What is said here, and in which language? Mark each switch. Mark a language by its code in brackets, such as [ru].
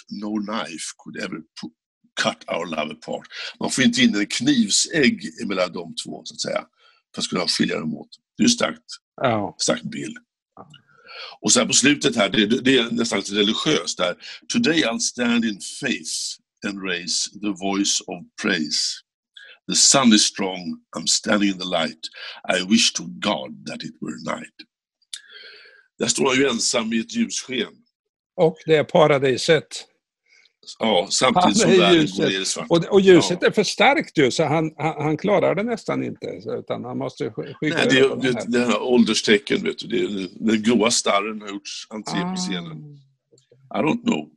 [en] No knife could ever cut our love apart. [sv] Man får inte in en knivsägg mellan de två, så att säga. För att kunna skilja dem åt. Det är starkt, starkt Bill. Och sen på slutet här, det är nästan religiöst där. [en] Today I'll stand in faith and raise the voice of praise. The sun is strong, I'm standing in the light. I wish to God that it were night. [sv] Där står jag ju ensam i ett ljussken. Och det är paradiset. Ja, samtidigt som världen ljuset. Går ner i svart. Och ljuset är för starkt ju, så han klarar det nästan inte. Utan han måste skicka över det här ålderstecken, vet du. Det är den gråa starren har gjort entré på scenen. [en] I don't know.